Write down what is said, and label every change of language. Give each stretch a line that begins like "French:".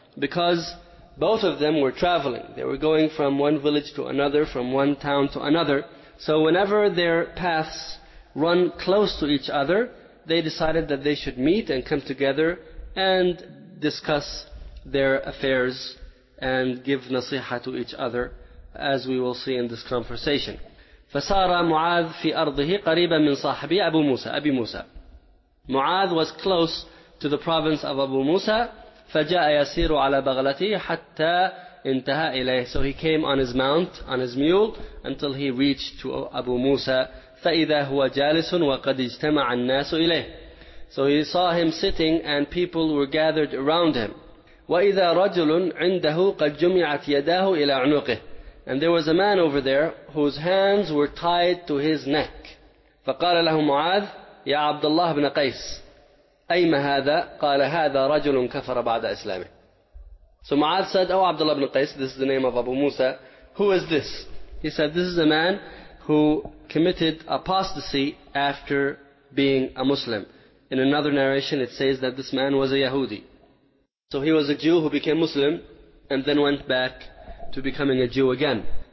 English: Because both of them were traveling. They were going from one village to another, from one town to another. So whenever their paths run close to each other, they decided that they should meet and come together and discuss their affairs and give nasiha to each other, as we will see in this conversation.
Arabic: فَسَارَ مُعَاذْ فِي أَرْضِهِ قَرِيبًا مِّنْ صَاحِبِي أَبُو مُوسَى. أبي موسى.
English: Mu'adh was close to the province of Abu Musa.
Arabic: فَجَاءَ يَسِيرُ عَلَىٰ بَغْلَتِهِ حَتَّى انْتَهَىٰ إِلَيْهِ.
English: So he came on his mount, on his mule, until he reached to Abu Musa.
Arabic: فَإِذَا هُوَ جَالِسٌ وَقَدْ اجْتَمَعَ النَّاسُ إِلَيْهِ.
English: So he saw him sitting and people were gathered around him.
Arabic: وَإِذَا رَجُلٌ عِنْدَهُ قَدْ جُمِعَتْ يَدَاهُ إِلَىٰ عُنُقِهِ.
English: And there was a man over there whose hands were tied to his neck.
Arabic: فَقَالَ لَهُ مُعَاذ يا عبد الله بن قيس أيما هذا قال هذا رجل كفر بعد إسلامه.
English: So Mu'adh said, oh Abdullah ibn Qais, this is the name of Abu Musa, who is this? He said, this is a man who committed apostasy after being a Muslim. In another narration it says that this man was a Yahudi. So he was a Jew who became Muslim and then went back to becoming a Jew again.